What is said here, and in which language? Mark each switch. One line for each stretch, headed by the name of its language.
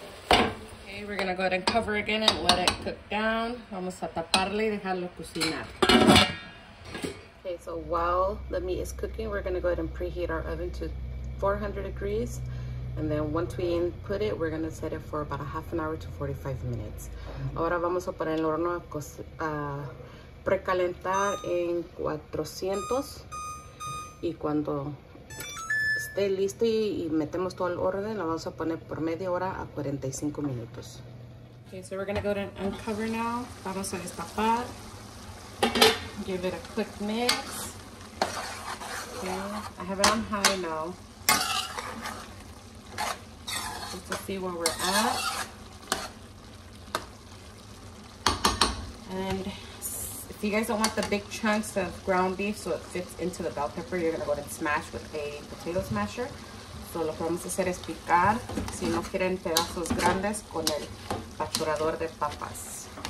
English: Okay, we're gonna go ahead and cover again and let it cook down.
Spanish: Vamos a taparle y dejarlo cocinar.
English: Okay, so while the meat is cooking, we're gonna go ahead and preheat our oven to 400 degrees. And then once we input it, we're gonna set it for about a half an hour to 45 minutes.
Spanish: Ahora vamos a poner el horno a precalentar en 400. Y cuando esté listo y metemos todo el orden, lo vamos a poner por media hora a 45 minutos.
English: Okay, so we're gonna go ahead and uncover now. Vamos a destapar. Give it a quick mix. Okay, I have it on high now. Just to see where we're at. And if you guys don't want the big chunks of ground beef so it fits into the bell pepper, you're gonna go ahead and smash with a potato smasher.
Spanish: So lo que vamos a hacer es picar, si no quieren pedazos grandes, con el pachurador de papas.